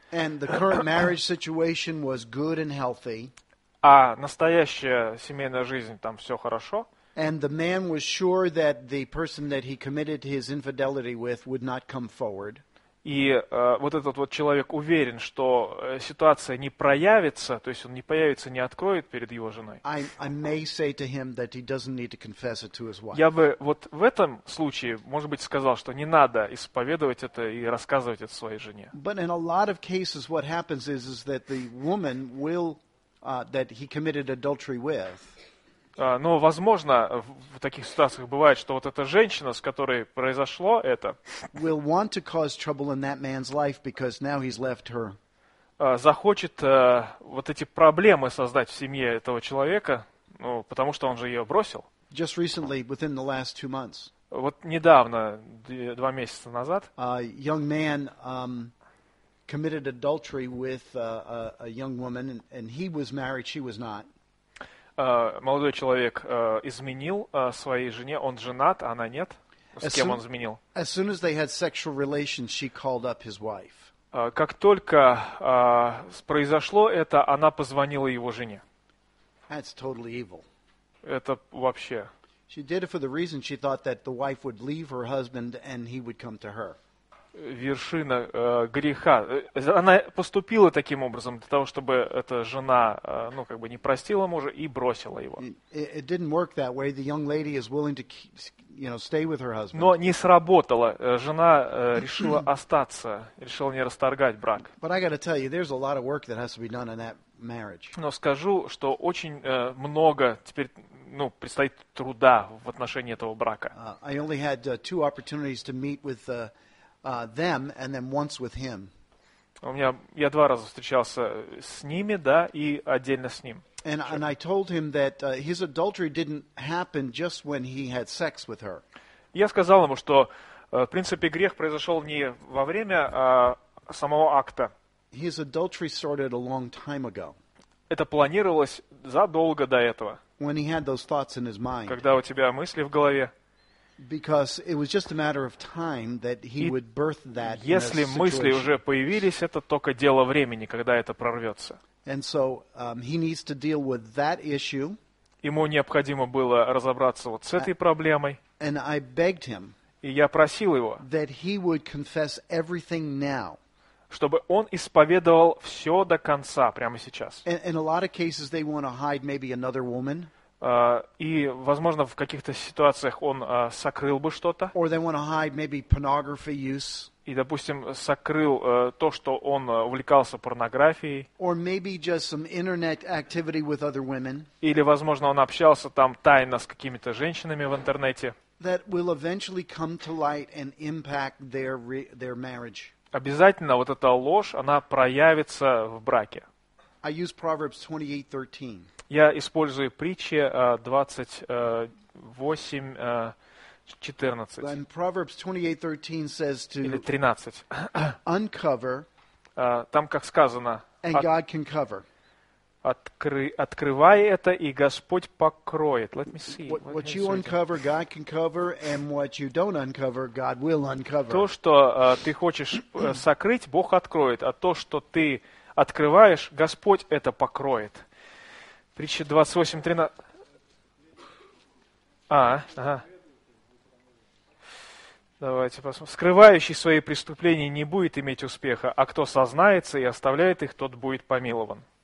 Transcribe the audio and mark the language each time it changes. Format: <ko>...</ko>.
<en>and the current marriage situation was good and healthy,</en> <ru>а настоящая семейная жизнь, там все хорошо,</ru> <en>and the man was sure that the person that he committed his infidelity with would not come forward,</en> <ru>и вот этот вот человек уверен, что ситуация не проявится, то есть он не появится, не откроет перед его женой. Я бы вот в этом случае, может быть, сказал, что не надо исповедовать это и рассказывать это своей жене.</ru> <en>But in a lot of cases what happens is that the woman will that he committed adultery with.</en> <ru>Но, возможно, в таких ситуациях бывает, что вот эта женщина, с которой произошло это,</ru> <en>will want to cause trouble in that man's life because now he's left her.</en> <ru>Захочет вот эти проблемы создать в семье этого человека, ну, потому что он же ее бросил.</ru> <en>Just recently, within the last two months.</en> <ru>Вот недавно, два месяца назад,</ru> <en>a young man committed adultery with a young woman, and he was married, she was not.</en> <ru>Молодой человек изменил своей жене. Он женат, а она нет. С кем он изменил?</ru> <en>As soon as they had sexual relations, she called up his wife.</en> <ru>Как только произошло это, она позвонила его жене.</ru> <en>That's totally evil.</en> <ru>Это вообще.</ru> <en>She did it for the reason she thought that the wife would leave her husband and he would come to her.</en> <ru>Вершина греха. Она поступила таким образом для того, чтобы эта жена, ну, как бы не простила мужа и бросила его.</ru> <en>It didn't work that way. The young lady is willing to, you know, stay with her husband.</en> <ru>Но не сработало. Жена решила остаться, решила не расторгать брак.</ru> <en>But I got to tell you, there's a lot of work that has to be done in that marriage.</en> <ru>Но скажу, что очень много теперь, ну, предстоит труда в отношении этого брака.</ru> <en>I only had two opportunities to meet with them and then once with him.</en> <ru>У меня я два раза встречался с ними, да, и отдельно с ним.</ru> <en>And I told him that his adultery didn't happen just when he had sex with her.</en> <ru>Я сказал ему, что В принципе, грех произошел не во время самого акта.</ru> <en>His adultery started a long time ago.</en> <ru>Это планировалось задолго до этого.</ru> <en>When he had those thoughts in his mind.</en> <ru>Когда у тебя мысли в голове.</ru> <en>Because it was just a matter of time that he would birth that.</en> <ru>Если мысли уже появились, это только дело времени, когда это прорвется.</ru> <en>And so he needs to deal with that issue.</en> <ru>Ему необходимо было разобраться вот с этой проблемой.</ru> <en>And I begged him.</en> <ru>И я просил его.</ru> <en>That he would confess everything now.</en> <ru>Чтобы он исповедовал все до конца, прямо сейчас.</ru> <en>In a lot of cases, they want to hide maybe another woman.</en> <ru>И, возможно, в каких-то ситуациях он сокрыл бы что-то.</ru> <en>Or they want to hide maybe pornography use.</en> <ru>И, допустим, сокрыл то, что он увлекался порнографией.</ru> <en>Or maybe just some internet activity with other women.</en> <ru>Или, возможно, он общался там тайно с какими-то женщинами в интернете.</ru> <en>That will eventually come to light and impact their marriage.</en> <ru>Обязательно вот эта ложь, она проявится в браке.</ru> <en>I use Proverbs 28:13.</en> <ru>Я использую притчи 28:14.</ru> <en>And Proverbs 28:13 says to</en> <ru>или 13.</ru> <en>Uncover.</en> <ru>Там как сказано.</ru> <en>And God can cover.</en> <ru>Открывай это, и Господь покроет.</ru> <en>Let me see. What you uncover, God can cover, and what you don't uncover, God will uncover.</en> <ru>То, что ты хочешь сокрыть, Бог откроет, а то, что ты открываешь, Господь это покроет. Притча 28:13. Давайте посмотрим. Скрывающий свои преступления не будет иметь успеха, а кто сознается и оставляет их, тот будет помилован.</ru>